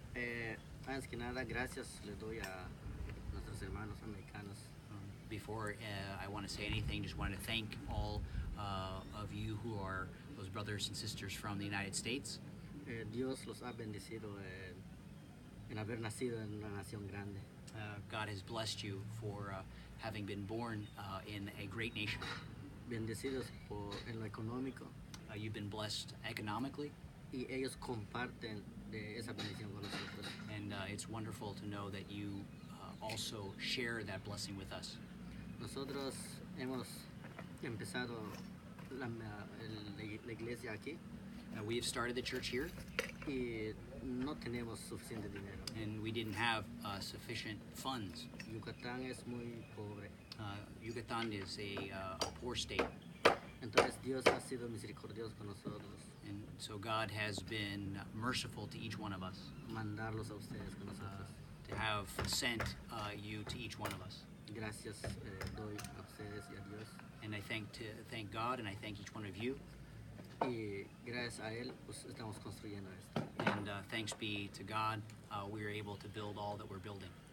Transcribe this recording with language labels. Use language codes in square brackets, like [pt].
[en] Before I want to say anything, just wanted to thank all of you who are those brothers and sisters from the United States. [es] Dios los ha bendecido en haber nacido en una nación grande. [en] God has blessed you for having been born in a great nation. [es] Bendecidos por en lo económico. [en] You've been blessed economically. [es] Y ellos comparten de esa bendición con nosotros. [en] And it's wonderful to know that you also share that blessing with us. [es] Nosotros hemos empezado la iglesia aquí. [en] We have started the church here. [es] Y no tenemos suficiente dinero. [en] And we didn't have sufficient funds. [es] Yucatán es muy pobre. [en] Yucatán is a poor state. [es] Entonces Dios ha sido misericordioso con nosotros. [en] And so God has been merciful to each one of us. [es] Mandarlos a ustedes con nosotros. [en] To have sent you to each one of us. [es] Gracias doy a ustedes y a Dios. [en] And I thank God and I thank each one of you. [es] Y gracias a él pues estamos construyendo esto. [en] And thanks be to God, we are able to build all that we're building.